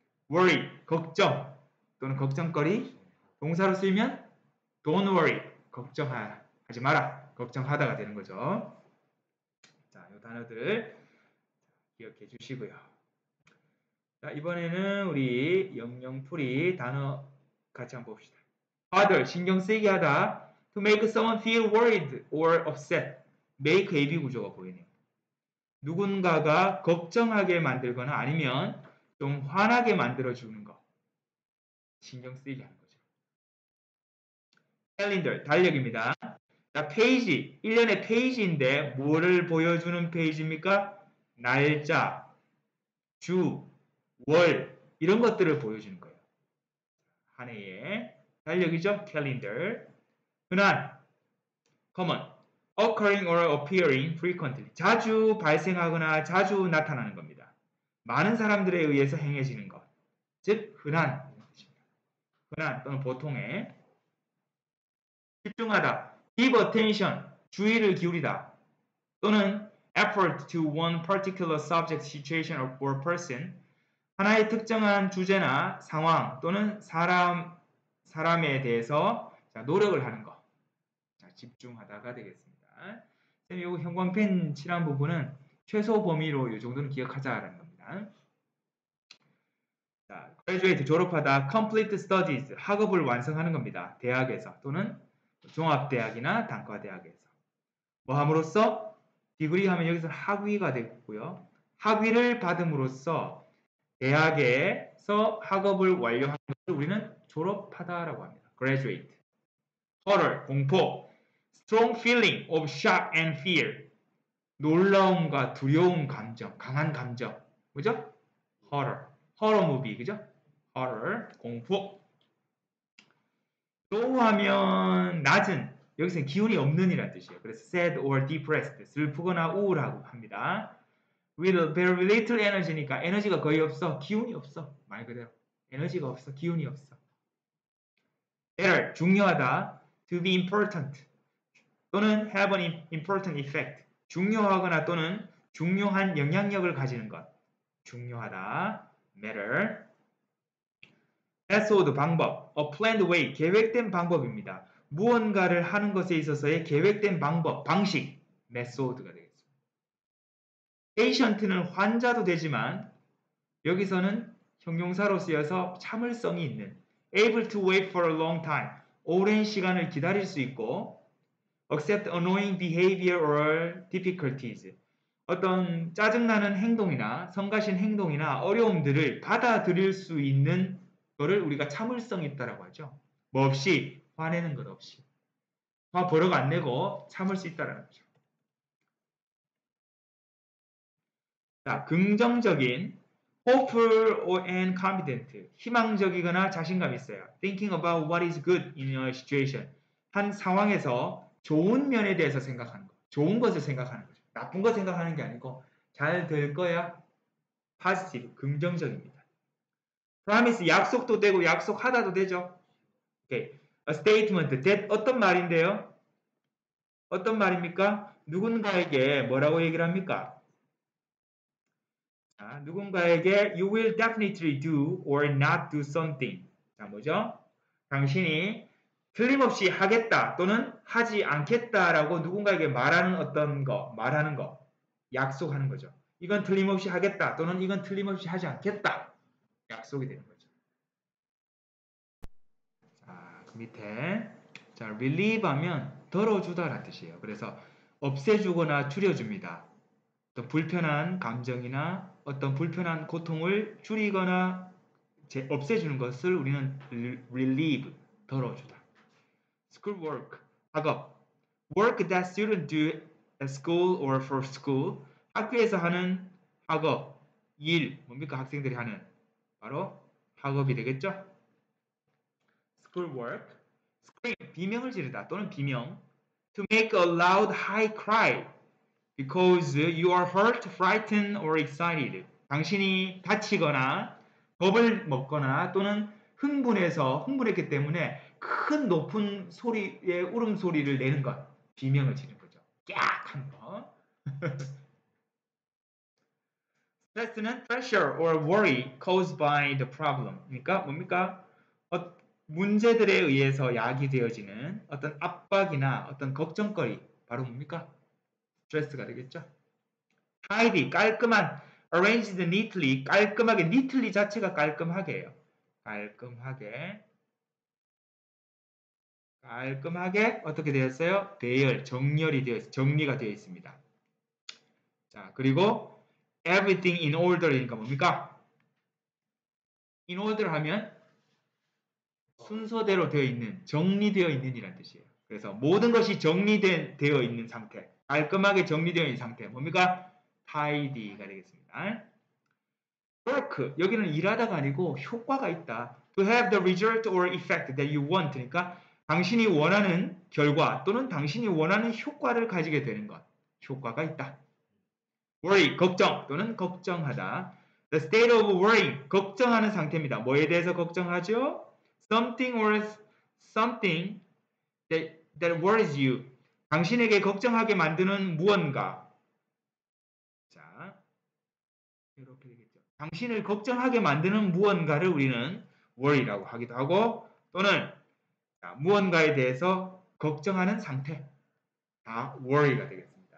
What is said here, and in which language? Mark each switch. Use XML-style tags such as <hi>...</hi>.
<ko>Worry, 걱정 또는 걱정거리. 동사로 쓰이면</ko> <en>Don't worry,</en> <ko>걱정하지 마라. 걱정하다가 되는 거죠. 자, 이 단어들 기억해 주시고요. 자, 이번에는 우리 영영풀이 단어 같이 한번 봅시다. Bother, 신경 쓰이게 하다.</ko> <en>To make someone feel worried or upset.</en> <ko>Make, AB 구조가 보이네요. 누군가가 걱정하게 만들거나 아니면 좀 화나게 만들어주는 거. 신경 쓰이게 하는 거죠. Calendar, 달력입니다. 자, 페이지, 1년의 페이지인데 뭐를 보여주는 페이지입니까? 날짜, 주, 월 이런 것들을 보여주는 거예요. 한 해의 달력이죠. Calendar.</ko> <en>흔한, common, occurring or appearing frequently.</en> <ko>자주 발생하거나 자주 나타나는 겁니다. 많은 사람들에 의해서 행해지는 것. 즉 흔한. 흔한 또는 보통의. 집중하다.</ko> <en>Give attention.</en> <ko>주의를 기울이다. 또는</ko> <en>effort to one particular subject, situation or person.</en> <ko>하나의 특정한 주제나 상황 또는 사람에 대해서 노력을 하는 것. 집중하다가 되겠습니다. 이 형광펜 칠한 부분은 최소 범위로 이 정도는 기억하자라는 겁니다. 자, graduate, 졸업하다.</ko> <en>Complete studies,</en> <ko>학업을 완성하는 겁니다. 대학에서 또는 종합대학이나 단과대학에서. 뭐 함으로써? Degree 하면 여기서 학위가 되고요. 학위를 받음으로써 대학에서 학업을 완료하는 것을 우리는 졸업하다라고 합니다.</ko> <en>Graduate. Horror, 공포. Strong feeling of shock and fear.</en> <ko>놀라움과 두려운 감정, 강한 감정. 그죠? Horror.</ko> <en>Horror movie, 그죠?</en> <ko>Horror, 공포. Low 하면 낮은, 여기서는 기운이 없는 이란 뜻이에요. 그래서</ko> <en>sad or depressed,</en> <ko>슬프거나 우울하고 합니다.</ko> <en>With very little energy</en> <ko>니까 에너지가 거의 없어, 기운이 없어. 말 그대로 에너지가 없어, 기운이 없어. Better, 중요하다.</ko> <en>To be important 또는 have an important effect,</en> <ko>중요하거나 또는 중요한 영향력을 가지는 것. 중요하다. Matter. Method, 방법.</ko> <en>A planned way,</en> <ko>계획된 방법입니다. 무언가를 하는 것에 있어서의 계획된 방법, 방식. Method가 되겠습니다. Patient는 환자도 되지만 여기서는 형용사로 쓰여서 참을성이 있는.</ko> <en>Able to wait for a long time,</en> <ko>오랜 시간을 기다릴 수 있고.</ko> <en>Accept annoying behavior or difficulties.</en> <ko>어떤 짜증나는 행동이나 성가신 행동이나 어려움들을 받아들일 수 있는 것을 우리가 참을성이 있다고 하죠. 뭐 없이, 화내는 것 없이. 화 버럭 안 내고 참을 수 있다는 거죠. 자, 긍정적인,</ko> <en>hopeful and confident.</en> <ko>희망적이거나 자신감 있어요.</ko> <en>Thinking about what is good in a situation.</en> <ko>한 상황에서 좋은 면에 대해서 생각하는 거. 좋은 것을 생각하는 거죠. 나쁜 것 생각하는 게 아니고 잘 될 거야. Positive, 긍정적입니다. Promise, 약속도 되고 약속하다도 되죠.</ko> <en>Okay. A statement, that</en> <ko>어떤 말인데요? 어떤 말입니까? 누군가에게 뭐라고 얘기를 합니까?</ko> <en>자, 누군가에게 you will definitely do or not do something.</en> <ko>자, 뭐죠? 당신이 틀림없이 하겠다 또는 하지 않겠다라고 누군가에게 말하는 어떤 거, 말하는 거, 약속하는 거죠. 이건 틀림없이 하겠다 또는 이건 틀림없이 하지 않겠다. 약속이 되는 거죠. 자, 그 밑에 자, relieve 하면 덜어주다라는 뜻이에요. 그래서 없애주거나 줄여줍니다. 어떤 불편한 감정이나 어떤 불편한 고통을 줄이거나 없애주는 것을 우리는 relieve, 덜어주다. Schoolwork, 학업.</ko> <en>Work that students do at school or for school.</en> <ko>학교에서 하는 학업, 일, 뭡니까 학생들이 하는? 바로 학업이 되겠죠? Schoolwork. Scream, 비명을 지르다 또는 비명.</ko> <en>To make a loud high cry because you are hurt, frightened, or excited.</en> <ko>당신이 다치거나 겁을 먹거나 또는 흥분해서 흥분했기 때문에 큰 높은 소리의 울음소리를 내는 것. 비명을 지는 거죠. 깍! 한 거. 스트레스는</ko> <en>pressure or worry caused by the problem.</en> <ko>그러니까 뭡니까? 문제들에 의해서 야기되어지는 어떤 압박이나 어떤 걱정거리. 바로 뭡니까? 스트레스가 되겠죠. Tidy, 깔끔한.</ko> <en>Arranged neatly,</en> <ko>깔끔하게. Neatly 자체가 깔끔하게예요. 깔끔하게. 깔끔하게 어떻게 되었어요? 배열, 정렬이 되었, 정리가 되어 있습니다. 자, 그리고</ko> <en>everything in order</en> <ko>이니까 뭡니까? in order 하면 순서대로 되어 있는, 정리되어 있는 이란 뜻이에요. 그래서 모든 것이 정리되어 있는 상태, 깔끔하게 정리되어 있는 상태, 뭡니까? tidy가 되겠습니다. work, 여기는 일하다가 아니고 효과가 있다.</ko> <en>to have the result or effect that you want,</en> <ko>그러니까 당신이 원하는 결과 또는 당신이 원하는 효과를 가지게 되는 것. 효과가 있다. worry, 걱정 또는 걱정하다.</ko> <en>The state of worrying, 걱정하는 상태입니다.</en> <ko>뭐에 대해서 걱정하죠?</ko> <en>Something or something that worries you.</en> <ko>당신에게 걱정하게 만드는 무언가. 자, 이렇게 되겠죠. 당신을 걱정하게 만드는 무언가를 우리는 worry라고 하기도 하고 또는 무언가에 대해서 걱정하는 상태. 다 worry가 되겠습니다.</ko>